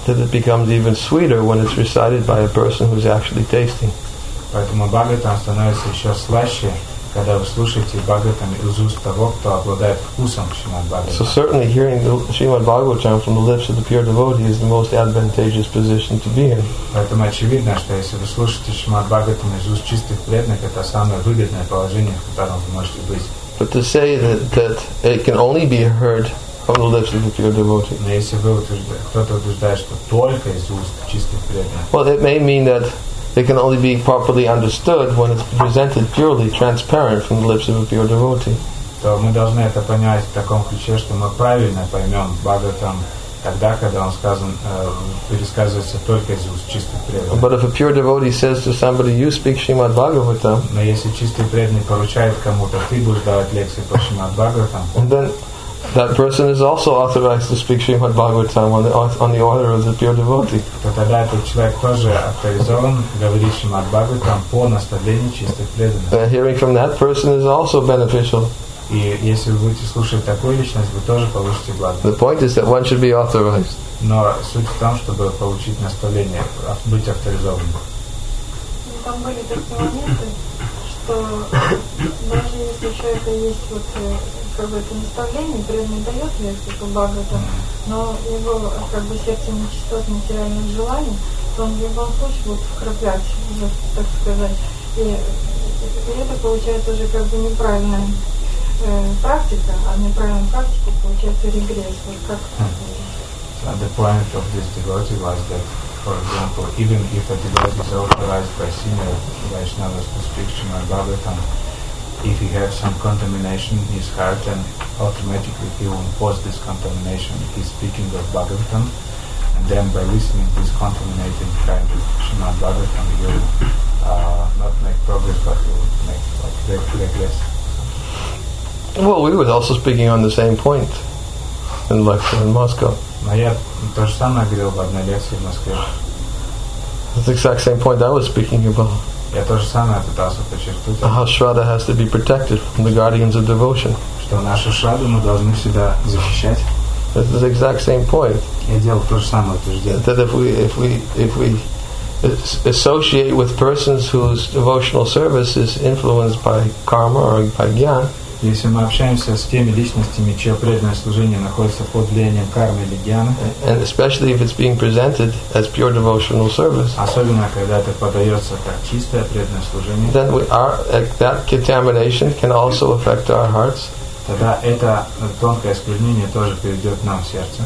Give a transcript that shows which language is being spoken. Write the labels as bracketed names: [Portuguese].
[English] That it becomes even sweeter when it's recited by a person who's actually tasting. [Russian] Поэтому Бхагаватам становится еще слаще, когда вы слушаете Бхагаватам из уст того, кто обладает вкусом Шримад Бхагаватам. [English] So certainly hearing the Shrimad Bhagavatam from the lips of the pure devotee is the most advantageous position to be in. [Russian] Поэтому очевидно, что если вы слушаете Шримад Бхагаватам из уст чистых преданных, это самое выгодное положение, в котором вы можете быть. [English] But to say that it can only be heard from the lips of the pure devotee. [Russian] Но если вы утверждаете, что только из уст чистых преданных. [English] Well, it may mean that it can only be properly understood when it's presented purely, transparent, from the lips of a pure devotee. [Russian] То мы должны это понять в таком ключе, что мы правильно поймем Бхагаватам тогда, когда он сказан, пересказывается только из уст чистых преданных. [English] But if a pure devotee says to somebody, you speak Shrimad Bhagavatam, [Russian] но если чистый преданный поручает кому-то, ты будешь давать лекции по Шримад Бхагаватам, [English] then that person is also authorized to speak Srimad Bhagavatam on the order of the pure devotee. [Russian] То тогда этот человек тоже авторизован говорить Шримад Бхагаватам по наставлению чистых преданных. [English] Hearing from that person is also beneficial. [Russian] И если вы будете слушать такую личность, вы тоже получите благо. [English] The point is that one should be authorized. [Russian] Но суть в том, чтобы получить наставление, быть авторизованным. Там были такие моменты, что даже если у человека есть вот как бы это наставление, преданный дает лекцию по Бхагаватам, но его как бы сердце нечистот, материальное желание, то он в любом случае будет вкраплять, уже, так сказать. И это получается уже как бы неправильная практика, а неправильная практика получается регресс. Вот как [English] so the point of this devotee was that, for example, even if a devotee is authorized by senior Vaishnavas to speak to my Bhagavatam, if he has some contamination in his heart, then automatically he will impose this contamination. He's speaking of Bhagavatam, and then by listening to this contaminated kind of Srimad Bhagavatam, he will not make progress, but he will make regress. Well, we were also speaking on the same point in lecture in Moscow. [Russian] Но я то же самое говорил в одной лекции в Москве. [English] That's the exact same point I was speaking about. [Russian] Я тоже самое пытался подчеркнуть. [English] How Shraddha has to be protected from the guardians of devotion. [Russian] Что нашу Шрадду мы должны всегда защищать. [English] This is the exact same point. [Russian] Я делал то же самое утверждение. [English] That if we associate with persons whose devotional service is influenced by karma or by gyan. [Russian] Если мы общаемся с теми личностями, чье преданное служение находится под влиянием кармы или гьяны, [English] and especially if it's being presented as pure devotional service, [Russian] особенно когда это подается как чистое преданное служение, [English] then that contamination can also affect our hearts. [Russian] Тогда это тонкое осквернение тоже перейдет нам в сердце.